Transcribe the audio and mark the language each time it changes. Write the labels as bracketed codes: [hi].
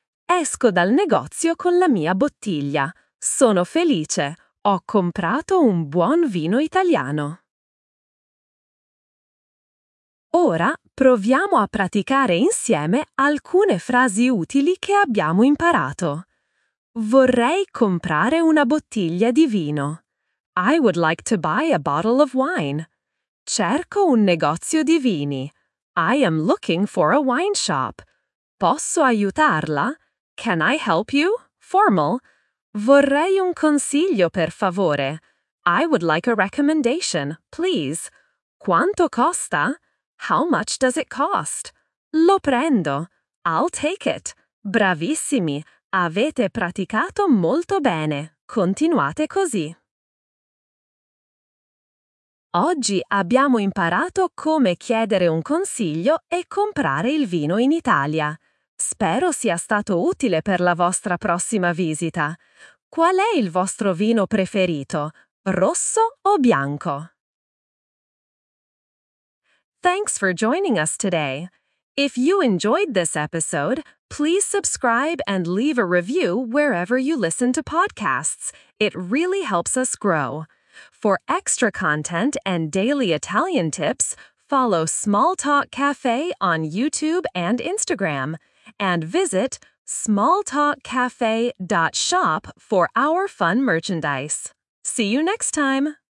[it] Esco dal negozio con la mia bottiglia. Sono felice, ho comprato un buon vino italiano. Ora proviamo a praticare insieme alcune frasi utili che abbiamo imparato. Vorrei comprare una bottiglia di vino. [en] I would like to buy a bottle of wine. [it] Cerco un negozio di vini. [en] I am looking for a wine shop. [it] Posso aiutarla? [en] Can I help you? Formal. [it] Vorrei un consiglio, per favore. [en] I would like a recommendation, please. [it] Quanto costa? [en] How much does it cost? [it] Lo prendo. [en] I'll take it. [it] Bravissimi, avete praticato molto bene. Continuate così. Oggi abbiamo imparato come chiedere un consiglio e comprare il vino in Italia. Spero sia stato utile per la vostra prossima visita. Qual è il vostro vino preferito? Rosso o bianco? [en] Thanks for joining us today. If you enjoyed this episode, please subscribe and leave a review wherever you listen to podcasts. It really helps us grow. For extra content and daily Italian tips, follow Small Talk Cafe on YouTube and Instagram, and visit smalltalkcafe.shop for our fun merchandise. See you next time!